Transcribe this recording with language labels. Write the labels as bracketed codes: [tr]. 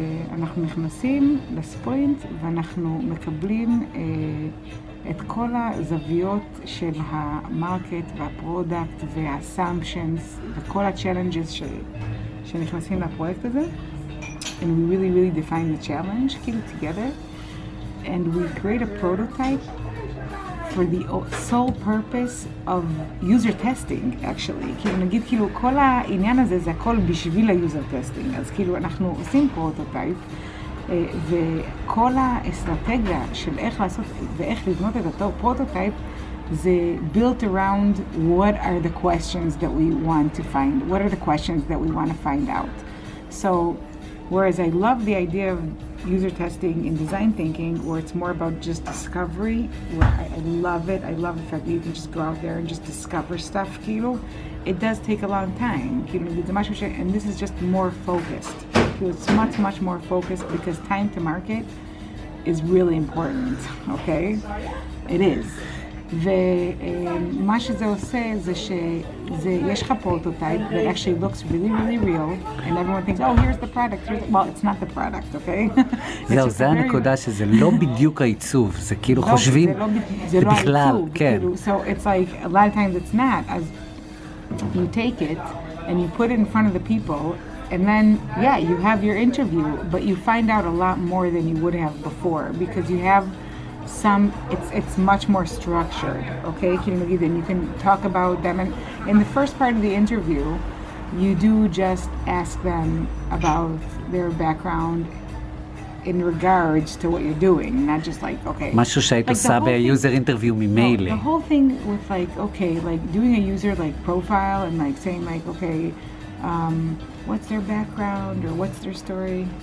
[he] ואנחנו נכנסים לספרינט ואנחנו מקבלים את כל הזוויות של המרקט והפרודקט והאסמפשנס וכל הצ'לנג'ס שנכנסים לפרויקט הזה. [en] And we really, really define the challenge, kind of together. And we create a prototype for the sole purpose of user testing, actually. [he] כאילו נגיד, כאילו כל העניין הזה זה הכל בשביל ה-user testing. אז כאילו אנחנו עושים פרוטוטייפ, וכל האסטרטגיה של איך לעשות ואיך לבנות את אותו פרוטוטייפ, זה [en] built around what are the questions that we want to find, what are the questions that we want to find out. So whereas I love the idea of user testing in design thinking, where it's more about just discovery, where I love it. I love the fact that you can just go out there and just discover stuff, kilo. It does take a long time, and this is just more focused. It's much, much more focused because time to market is really important, okay? It is. [he] ומה שזה עושה זה שיש לך פרוטוטייפ [en] that actually looks really really real, and everyone thinks, oh, here's the product. Well, it's not the product, okay? [he] זהו, זה הנקודה שזה לא בדיוק העיצוב, זה כאילו חושבים, זה בכלל, כן. [en] So it's like, a lot of times it's not, as you take it and you put it in front of the people, And then, yeah, you have your interview, but you find out a lot more than you would have before because you have some, it's much more structured, okay? Then you can talk about them. And in the first part of the interview, you do just ask them about their background in regards to what you're doing, not just like, okay. [he] משהו שהיית עושה ב-user interview ממילא. [en] The whole thing with like, okay, like doing a user like profile and like saying like, okay, what's their background or what's their story?